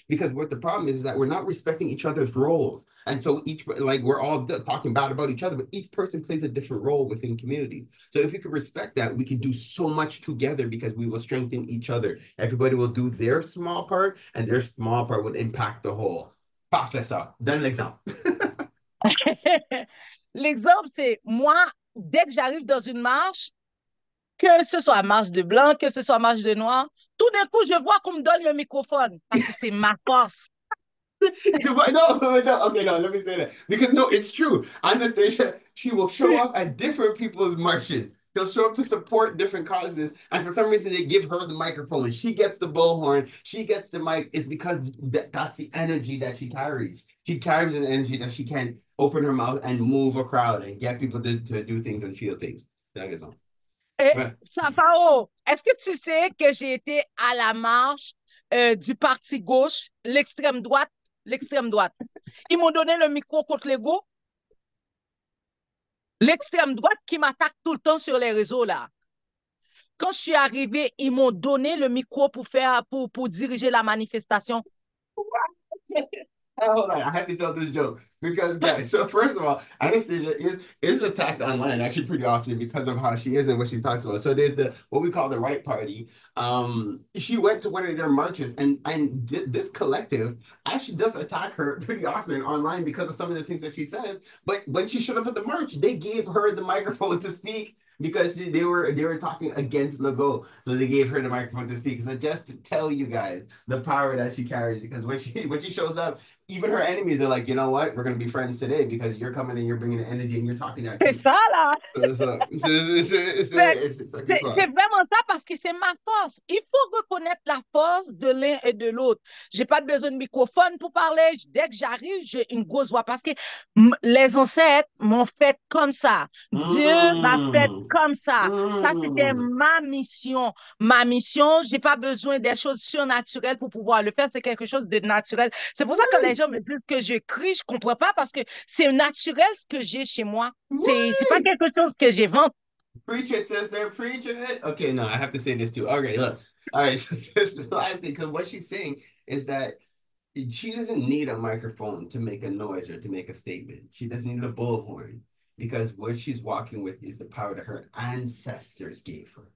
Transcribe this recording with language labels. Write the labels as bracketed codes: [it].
[en] Because what the problem is that we're not respecting each other's roles. And so each, like we're all talking bad about each other, but each person plays a different role within community. So if we could respect that, we could do so much together because we will strengthen each other. Everybody will do their small part, and their small part would impact the whole. Professor, then l'exemple. [fr] L'exemple, c'est moi, dès que j'arrive dans une marche, que ce soit marche de blanc, que ce soit marche de noir, tout d'un coup, je vois qu'on me donne le microphone parce que c'est ma force. [en] No, okay, no, let me say that. Because no, it's true. Anastasia, she will show up at different people's marches. They'll show up to support different causes. And for some reason, they give her the microphone. She gets the bullhorn. She gets the mic. It's because that's the energy that she carries. She carries an energy that she can open her mouth and move a crowd and get people to do things and feel things. That is all. But, [fr] Safao, est-ce que tu sais que j'ai été à la marche du parti gauche, l'extrême droite, l'extrême droite? Ils m'ont donné le micro contre l'ego. L'extrême droite qui m'attaque tout le temps sur les réseaux là. Quand je suis arrivée, ils m'ont donné le micro pour diriger la manifestation. [en] Hold on, I have to tell this joke because, guys, so first of all, Anastasia is attacked online actually pretty often because of how she is and what she talks about. So there's the what we call the right party. She went to one of their marches, and th this collective actually does attack her pretty often online because of some of the things that she says. But when she showed up at the march, they gave her the microphone to speak because they were talking against Legault, so they gave her the microphone to speak. So just to tell you guys the power that she carries, because when she shows up, even her enemies are like, you know what? gonna be friends today because you're coming and you're bringing the energy and you're talking that [fr] C'est [en] too. [fr] ça là. C'est ça qui se passe. C'est vraiment ça parce que c'est ma force. Il faut reconnaître la force de l'un et de l'autre. J'ai pas besoin de microphone pour parler. Dès que j'arrive, j'ai une grosse voix parce que les ancêtres m'ont fait comme ça. Dieu m'a fait comme ça. Ça, c'était ma mission. Ma mission, j'ai pas besoin des choses surnaturelles pour pouvoir le faire. C'est quelque chose de naturel. C'est pour ça que les gens me disent que je crie, je comprends pas parce que c'est naturel ce que j'ai chez moi. C'est pas quelque chose que j'invente. [en] Preach it, sister. Preach it. Okay, no, I have to say this too. Okay, look. All right. So, because what she's saying is that she doesn't need a microphone to make a noise or to make a statement. She doesn't need a bullhorn because what she's walking with is the power that her ancestors gave her.